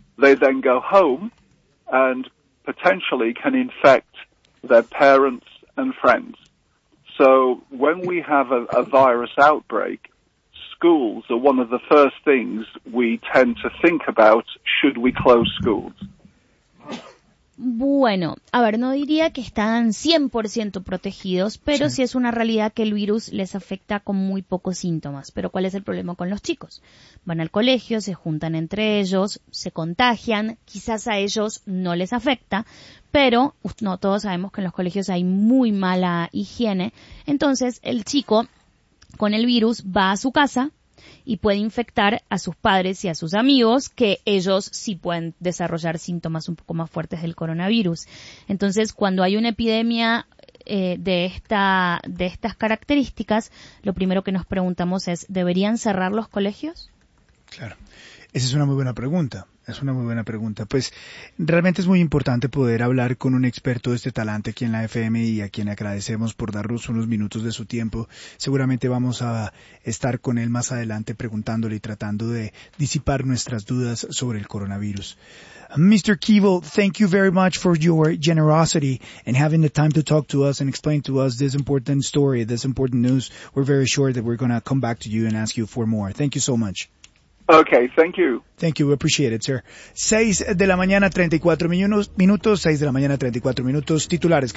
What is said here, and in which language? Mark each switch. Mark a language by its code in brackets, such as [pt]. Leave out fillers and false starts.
[en] They then go home and potentially can infect their parents and friends. So when we have a virus outbreak, schools are one of the first things we tend to think about. Should we close schools? [es] Bueno, a ver, no diría que están 100% protegidos, pero sí es una realidad que el virus les afecta con muy pocos síntomas. Pero ¿cuál es el problema con los chicos? Van al colegio, se juntan entre ellos, se contagian, quizás a ellos no les afecta, pero no todos sabemos que en los colegios hay muy mala higiene. Entonces, el chico con el virus va a su casa y puede infectar a sus padres y a sus amigos, que ellos sí pueden desarrollar síntomas un poco más fuertes del coronavirus. Entonces, cuando hay una epidemia de estas características, lo primero que nos preguntamos es, ¿deberían cerrar los colegios? Claro. Esa es una muy buena pregunta. Es una muy buena pregunta. Pues realmente es muy importante poder hablar con un experto de este talante aquí en la FM y a quien agradecemos por darnos unos minutos de su tiempo. Seguramente vamos a estar con él más adelante preguntándole y tratando de disipar nuestras dudas sobre el coronavirus. [en] Mr. Keeble, thank you very much for your generosity and having the time to talk to us and explain to us this important story, this important news. We're very sure that we're going to come back to you and ask you for more. Thank you so much. Okay, thank you. Thank you, we appreciate it, sir. [es] 6 de la mañana, 34 minutos, 6 de la mañana, 34 minutos, titulares cada